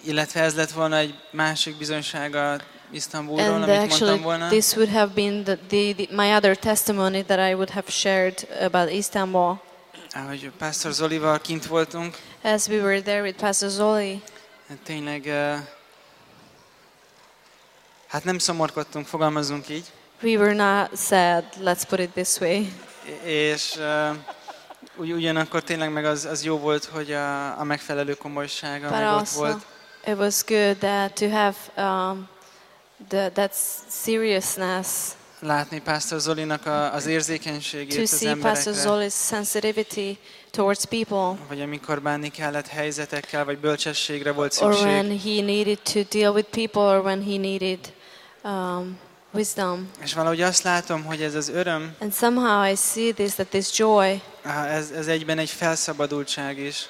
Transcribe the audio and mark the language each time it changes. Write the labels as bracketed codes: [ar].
[hu] Illetve ez lett volna egy másik bizonysága Isztambulról, amit mondtam volna. [en] And actually this would have been the my other testimony that I would have shared about Istanbul. [hu] Ahogy Pastor Zolival kint voltunk. [en] As we were there with Pastor Zoli. [hu] Tényleg, hát nem szomorkodtunk, fogalmazunk így. [en] We were not sad, let's put it this way. [hu] És ugyanakkor tényleg meg az jó volt, hogy a megfelelő komolysága meg ott volt. [en] It was good that to have that seriousness. [hu] Látni Pastor Zolinak az érzékenységét az emberekre. [en] To see Pastor Zoli's sensitivity towards people. [hu] Vagy amikor bánni kellett helyzetekkel, vagy bölcsességre volt szükség. [en] Or when he needed to deal with people, or when he needed wisdom. [hu] És valahogy azt látom, hogy ez az öröm. [en] And somehow I see this, that this joy. [hu] Ez egyben egy felszabadultság is.